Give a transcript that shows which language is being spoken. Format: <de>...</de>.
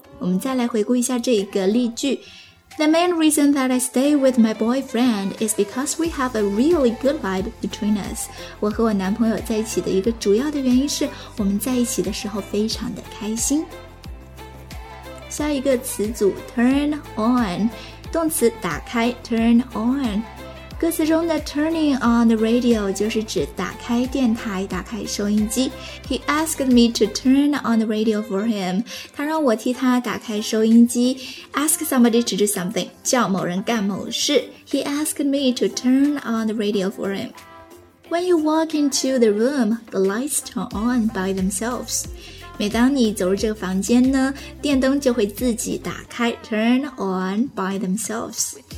<zh>我们再来回顾一下这个例句。</zh> <en>The main reason that I stay with my boyfriend is because we have a really good vibe between us.</en> <zh>我和我男朋友在一起的一个主要的原因是我们在一起的时候非常的开心。下一个词组 turn on， 动词打开 turn on。歌词中的</zh> <en>turning on the radio</en> <zh>就是指打开电台，打开收音机。</zh> <en>He asked me to turn on the radio for him.</en> <zh>他让我替他打开收音机。</zh> <en>Ask somebody to do something，</en> <zh>叫某人干某事。</zh> <en>He asked me to turn on the radio for him. When you walk into the room, the lights turn on by themselves.</en> <zh>每当你走入这个房间呢，电灯就会自己打开 ，</zh> <en>turn on by themselves.</en>